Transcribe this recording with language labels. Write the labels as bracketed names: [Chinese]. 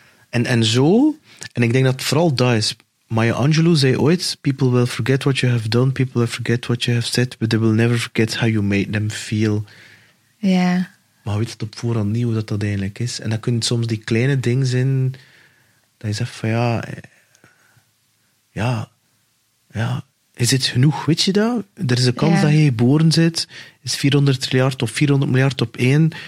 [Dutch] En ik denk dat vooral dat is. [English] Maya Angelou [Dutch] zei ooit, [English] people will forget what you have done, people will forget what you have said, but they will never forget how you made them feel. [Dutch] Ja. Maar weet het op voorhand niet hoe dat eigenlijk is. En dan kunnen soms die kleine dingen zijn, dat je zegt van ja. Is het genoeg, weet je dat? Er is een kans dat je geboren zit. Is 400 triljard of 400 miljard op één.